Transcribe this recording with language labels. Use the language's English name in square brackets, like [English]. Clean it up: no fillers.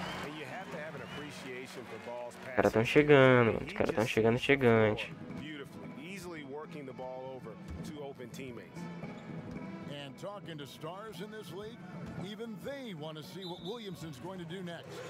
[English] And you have to have an appreciation for Ball's pass. [Portuguese] Cara tão chegando, mano. Os caras tão chegando, chegante. [English] Beautifully, easily working the ball over to open teammates. And talking to stars in this league, even they want to see what Williamson's going to do next.